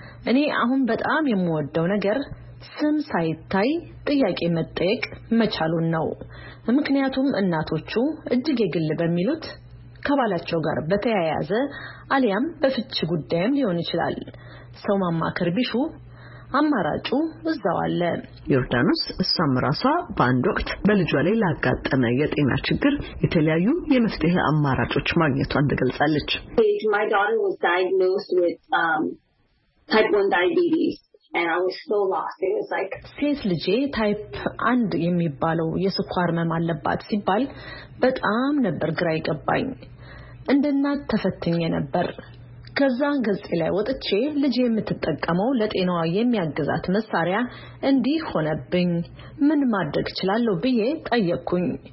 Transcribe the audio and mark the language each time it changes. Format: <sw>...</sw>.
<am>እኔ አሁን በጣም የምወደው ነገር ስም ሳይታይ ጥያቄ መጠየቅ መቻሉን ነው። ምክንያቱም እናቶቹ እጅግ የግል በሚሉት ከባላቸው ጋር በተያያዘ አሊያም በፍች ጉዳይም ሊሆን ይችላል ሰው ማማከር ቢሹ አማራጩ እዛው አለ። ዮርዳኖስ ሳምራሳ ባንድ ወቅት በልጇ ላይ ላጋጠመ የጤና ችግር የተለያዩ የመፍትሄ አማራጮች ማግኘቷን እንደገለጸች</am> <en>My daughter was diagnosed with type 1 diabetes and I was so lost. It was like</en> <am>ሴት ልጄ ታይፕ 1 የሚባለው የስኳር ህመም አለባት ሲባል በጣም ነበር ግራ ይገባኝ። እንደናት ተፈትኜ ነበር። ከዛን ገጽ ላይ ወጥቼ ልጅ የምትጠቀመው ለጤናዋ የሚያግዛት መሳሪያ እንዲህ ሆነብኝ ምን ማድረግ ይችላልው ብዬ ጠየቅኩኝ።</am>